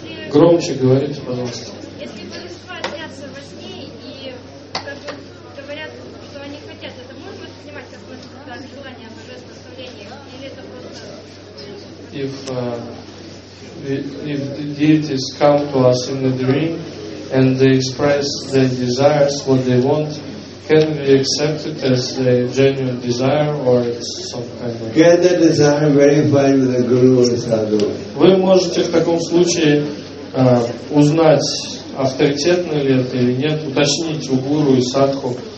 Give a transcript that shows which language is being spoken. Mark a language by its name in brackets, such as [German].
[Russian] Громче говорите, пожалуйста. Если божества снятся во сне и говорят, что они хотят, это можно снимать как желание божественного или это просто... [English] If the deities come to us in a dream and they express their desires, what they want, can we accept it as a genuine desire or it's some kind of... Can the desire verify with the Guru or Sadhu? [Russian] Вы можете в таком случае... узнать, авторитетно ли это или нет, уточнить у гуру и садху.